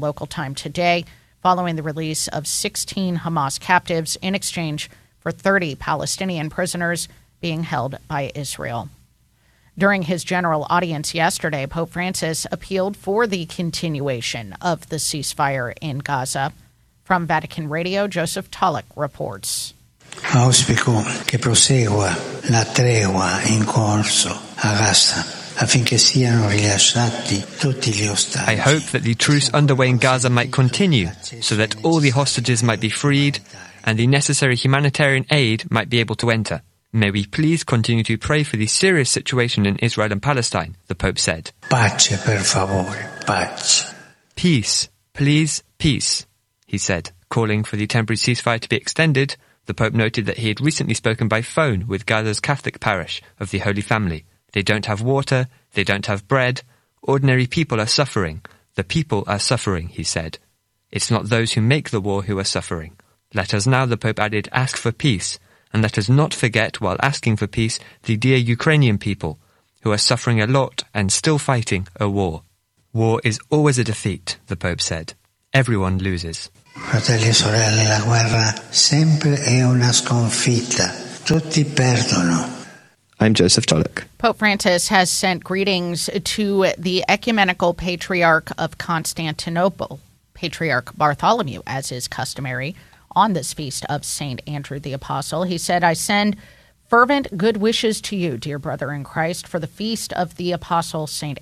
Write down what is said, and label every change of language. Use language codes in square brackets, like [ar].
[en] local time today, following the release of 16 Hamas captives in exchange for 30 Palestinian prisoners being held by Israel. During his general audience yesterday, Pope Francis appealed for the continuation of the ceasefire in Gaza. From Vatican Radio, Joseph Tulloch reports. [it] Auspico che prosegua la tregua in corso a Gaza. [en] I hope that the truce underway in Gaza might continue so that all the hostages might be freed and the necessary humanitarian aid might be able to enter. May we please continue to pray for the serious situation in Israel and Palestine, the Pope said. [it] Pace, per favore, pace. [en] Peace, please, peace, he said, calling for the temporary ceasefire to be extended. The Pope noted that he had recently spoken by phone with Gaza's Catholic parish of the Holy Family. They don't have water, they don't have bread. Ordinary people are suffering. The people are suffering, he said. It's not those who make the war who are suffering. Let us now, the Pope added, ask for peace. And let us not forget, while asking for peace, the dear Ukrainian people, who are suffering a lot and still fighting a war. War is always a defeat, the Pope said. Everyone loses. [it] Fratelli e sorelle, la guerra sempre è una sconfitta. Tutti perdono. [en] I'm Joseph Tulloch. Pope Francis has sent greetings to the Ecumenical Patriarch of Constantinople, Patriarch Bartholomew, as is customary, on this feast of St. Andrew the Apostle. He said, I send fervent good wishes to you, dear brother in Christ, for the feast of the Apostle St.